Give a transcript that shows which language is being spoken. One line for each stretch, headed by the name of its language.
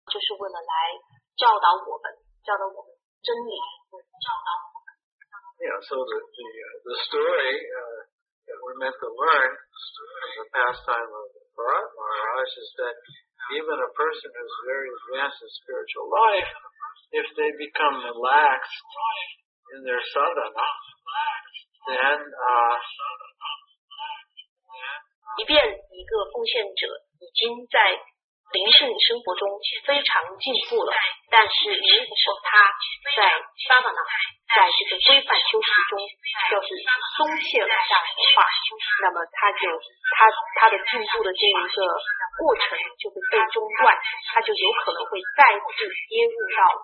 Chinese: 就是为了来教导我们真理教导
English: Yeah, so the story that we're meant to learn is the pastime of the Bharat Maharaj is that even a person who's very advanced in spiritual life, if they become relaxed in their sadhana, then...
Chinese: 即便一个奉献者已经在灵性生活中非常进步了，但是如果他在 sadhana在这个规范修持中要是松懈了下来的话那么他的进步的这一个过程就会被中断他就有可能会再次跌入到